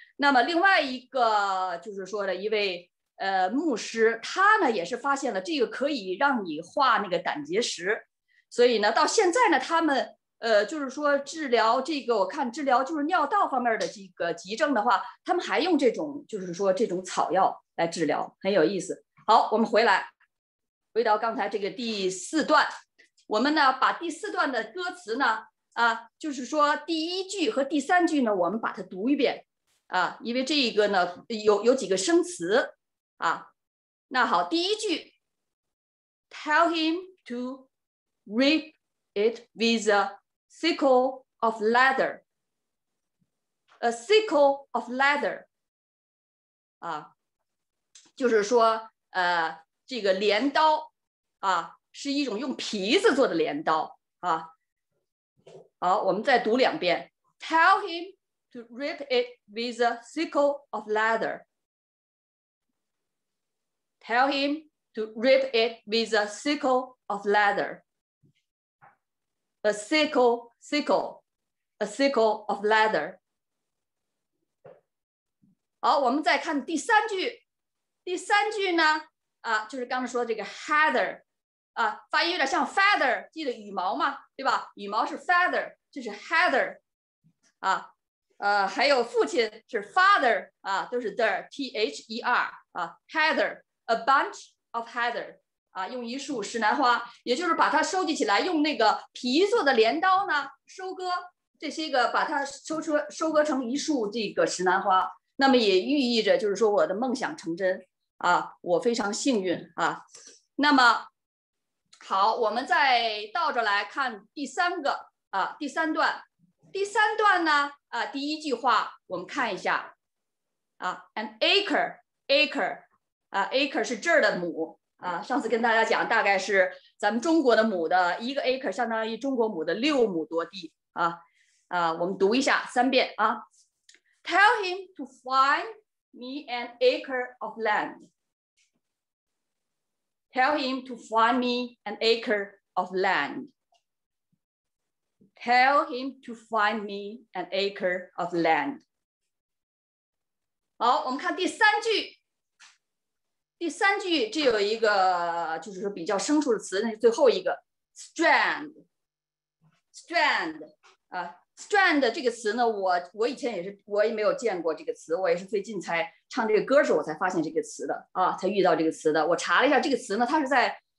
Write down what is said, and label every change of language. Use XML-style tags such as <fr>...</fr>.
<zh>那么另外一个就是说的一位牧师，他呢也是发现了这个可以让你化那个胆结石，所以呢到现在呢他们就是说治疗这个，我看治疗就是尿道方面的这个急症的话，他们还用这种就是说这种草药来治疗，很有意思。好，我们回到刚才这个第四段，我们呢把第四段的歌词呢就是说第一句和第三句呢我们把它读一遍啊，因为这个呢有几个生词啊。那好，第一句</zh> <en>Tell him to rip it with a sickle of leather, a sickle of leather</en> <zh>啊，就是说这个镰刀啊，是一种用皮子做的镰刀啊。好，我们再读两遍</zh> <en>Tell him to rip it with a sickle of leatherTell him to rip it with a sickle of leather. A sickle, sickle, a sickle of leather.</en> <zh>好，我们再看第三句。第三句呢，就是刚才说这个 heather， 发音有点像 feather， 记得羽毛嘛，对吧？羽毛是 feather， 这是 heather， 还有父亲是 father， 都是 there， T H E R， heather。</zh> <en>A bunch of heather，</en> <zh>用一束石楠花，也就是把它收集起来，用那个皮做的镰刀呢，收割这些个，把它收割成一束这个石楠花，那么也寓意着就是说我的梦想成真啊，我非常幸运啊。那么好，我们再倒着来看第三个第三段。第三段呢第一句话我们看一下an acre, acre。 Acre 是这儿的亩上次跟大家讲大概是咱们中国的亩的一个 acre 相当于中国亩的六亩多地我们读一下三遍</zh> <en>Tell him to find me an acre of land. Tell him to find me an acre of land. Tell him to find me an acre of land.</en> <zh>好，我们看第三句。第三句这有一个就是说比较生疏的词，那是最后一个 strand， strand， strand 这个词呢，我以前也是我也没有见过这个词，我也是最近才唱这个歌时候我才发现这个词的才遇到这个词的。我查了一下这个词呢，它是在</zh>